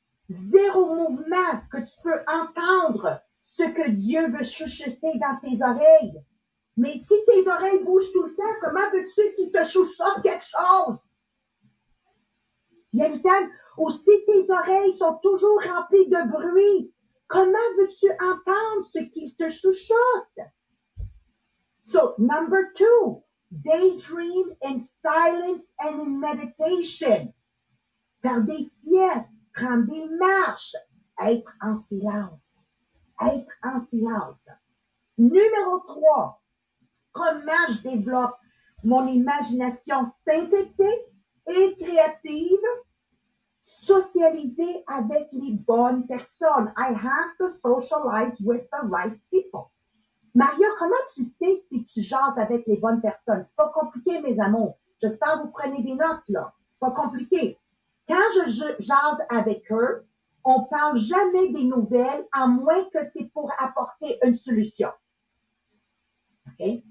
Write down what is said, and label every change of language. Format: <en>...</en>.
<fr>Zéro mouvement que tu peux entendre ce que Dieu veut chuchoter dans tes oreilles. Mais si tes oreilles bougent tout le temps, comment veux-tu qu'il te chuchote quelque chose? Yannick, ou si tes oreilles sont toujours remplies de bruit, comment veux-tu entendre ce qu'il te chuchote?</fr> <en>So, number two, daydream in silence and in meditation.</en> <fr>Faire des siestes, prendre des marches, être en silence. Être en silence. Numéro trois, comment je développe mon imagination synthétique et créative? Socialiser avec les bonnes personnes.</fr> <en>I have to socialize with the right people.</en> <fr>Maria, comment tu sais si tu jases avec les bonnes personnes? C'est pas compliqué, mes amours. J'espère que vous prenez des notes, là. C'est pas compliqué. Quand je jase avec eux, on parle jamais des nouvelles, à moins que c'est pour apporter une solution. OK?</fr>